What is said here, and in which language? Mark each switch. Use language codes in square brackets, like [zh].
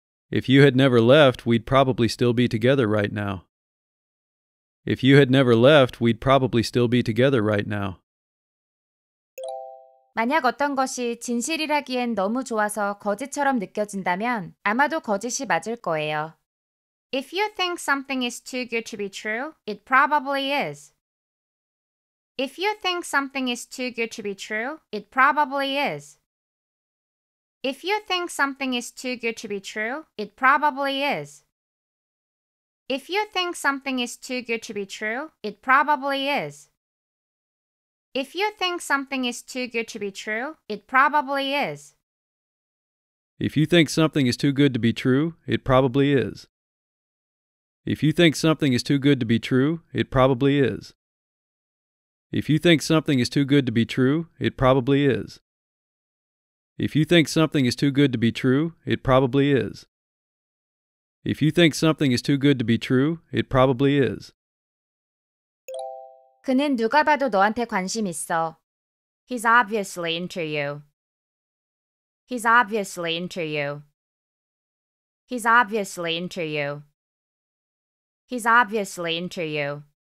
[en] If you had never left, we'd probably still be together right now. If you had never left, we'd probably still be together right now. [ko] 만약 어떤 것이 진실이라기엔 너무 좋아서 거짓처럼 느껴진다면 아마도 거짓이 맞을 거예요. [en] If you think something is too good to be true, it probably is. If you think something is too good to be true, it probably is. If you think something is too good to be true, it probably is. If you think something is too good to be true, it probably is. If you think something is too good to be true, it probably is. If you think something is too good to be true, it probably is. If you think something is too good to be true, it probably is. If you think something is too good to be true, it probably is. If you think something is too good to be true, it probably is. If you think something is too good to be true, it probably is. [ko] 그는 누가 봐도 너한테 관심 있어. [en] He's obviously into you. He's obviously into you. He's obviously into you. He's obviously into you.